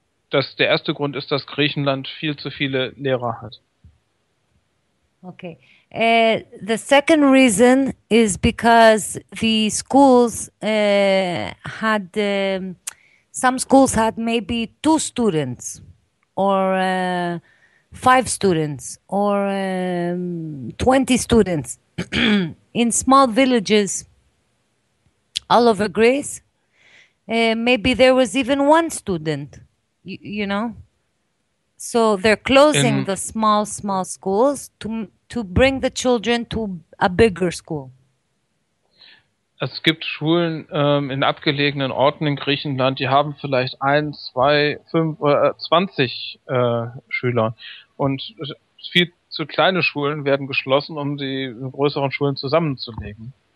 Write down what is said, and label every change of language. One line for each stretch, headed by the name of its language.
German: Der erste Grund ist, dass Griechenland viel zu viele Lehrer hat. Okay.
English: The second reason is because the schools had some schools had maybe two students or five students or 20 students in small villages all over Greece. Maybe there was even one student, you know? So they're closing In the small schools to bring the children to a bigger school.
German: Es gibt Schulen in abgelegenen Orten in Griechenland, die haben vielleicht ein, zwei, fünf oder 20 Schüler. Und viel zu kleine Schulen werden geschlossen, um die größeren Schulen zusammenzulegen.